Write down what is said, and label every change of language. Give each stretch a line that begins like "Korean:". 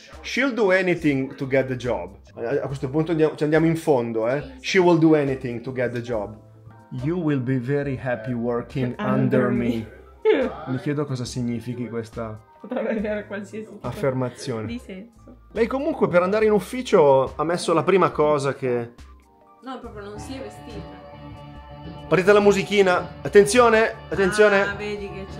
English: She'll do anything to get the job.
Italian: A questo punto ci andiamo in fondo, eh?
English: She will do anything to get the job. You will be very happy working under me.
Italian: Mi chiedo cosa significhi questa affermazione di senso. Lei comunque per andare in ufficio ha messo la prima cosa che... No, proprio non si è vestita. Partita la musichina. Attenzione, attenzione. Ah, vedi che c'è.